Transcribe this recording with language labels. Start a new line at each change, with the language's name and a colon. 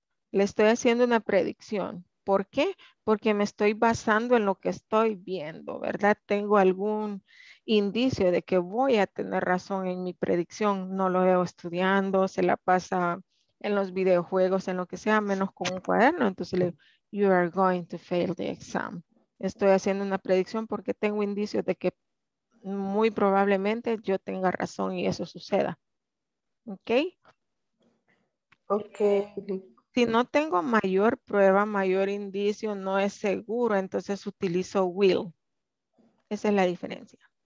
Spanish: Le estoy haciendo una predicción. ¿Por qué? Porque me estoy basando en lo que estoy viendo, ¿verdad? Tengo algún indicio de que voy a tener razón en mi predicción. No lo veo estudiando, se la pasa en los videojuegos, en lo que sea, menos con un cuaderno. Entonces le digo,
English: you are going to fail the exam.
Spanish: Estoy haciendo una predicción porque tengo indicios de que muy probablemente yo tenga razón y eso suceda. ¿Ok? Ok. Si no tengo mayor prueba, mayor indicio, no es seguro, entonces utilizo will. Esa es la diferencia.